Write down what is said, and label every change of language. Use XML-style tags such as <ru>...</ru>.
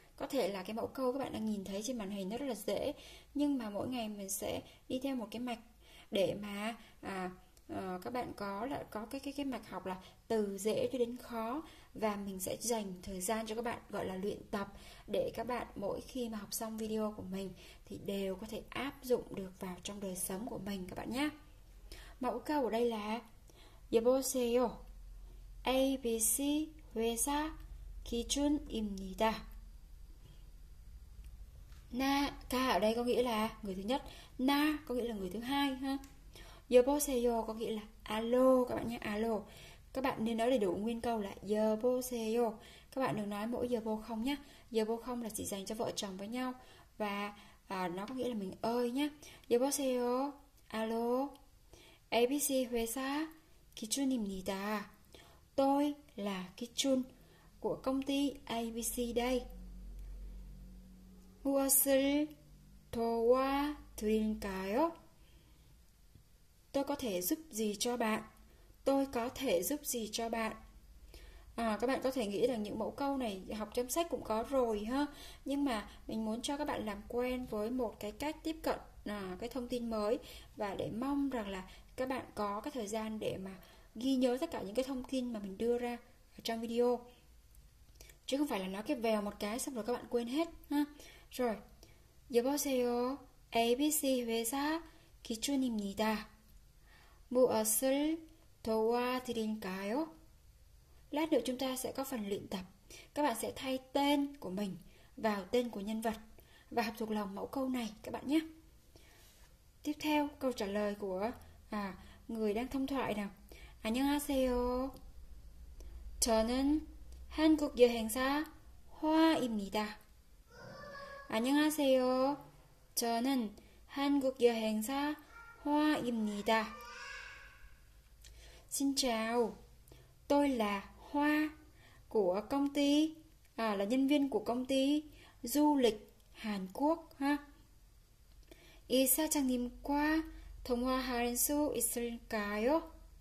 <vi>Có thể là cái mẫu câu các bạn đang nhìn thấy trên màn hình nó rất là dễ, nhưng mà mỗi ngày mình sẽ đi theo một cái mạch để mà các bạn có là có cái mạch học là từ dễ cho đến khó, và mình sẽ dành thời gian cho các bạn gọi là luyện tập để các bạn mỗi khi mà học xong video của mình thì đều có thể áp dụng được vào trong đời sống của mình các bạn nhé. Mẫu câu ở đây là</vi> <ko>여보세요. ABC 회사 기준입니다.</ko> <vi>나, ca ở đây có nghĩa là người thứ nhất. Na có nghĩa là người thứ hai ha. Yeboseyo có nghĩa là alo các bạn nhé, alo. Các bạn nên nói đầy đủ nguyên câu là yeboseyo. Các bạn đừng nói mỗi yebo không nhé. Yebo không là chỉ dành cho vợ chồng với nhau, và nó có nghĩa là mình ơi nhé. Yeboseyo, alo.</vi> <ko>ABC 회사 기준입니다.</ko> <vi>Tôi là Kichun của công ty ABC đây.</vi> <ko>무엇을 도와드릴까요?</ko> <vi>Tôi có thể giúp gì cho bạn? Tôi có thể giúp gì cho bạn? Các bạn có thể nghĩ rằng những mẫu câu này học trong sách cũng có rồi ha. Nhưng mà mình muốn cho các bạn làm quen với một cái cách tiếp cận cái thông tin mới, và để mong rằng là các bạn có cái thời gian để mà ghi nhớ tất cả những cái thông tin mà mình đưa ra trong video. Chứ không phải là nói cái vèo một cái xong rồi các bạn quên hết ha.</vi> <ko>Rồi, 여보세요. ABC 회사 기준입니다. 무엇을 도와드릴까요?</ko> <vi>Lát nữa chúng ta sẽ có phần luyện tập. Các bạn sẽ thay tên của mình vào tên của nhân vật và học thuộc lòng mẫu câu này các bạn nhé. Tiếp theo, câu trả lời của người đang thông thoại nào.</vi> <ko>안녕하세요. 저는 한국 여행사 화입니다. 안녕하세요. 저는 한국 여행사 화입니다.</ko> <vi>Xin chào. Tôi là Hoa của công ty, là nhân viên của công ty du lịch Hàn Quốc ha.</vi> <ko>이사장님과 통화할 수 있을까요?</ko>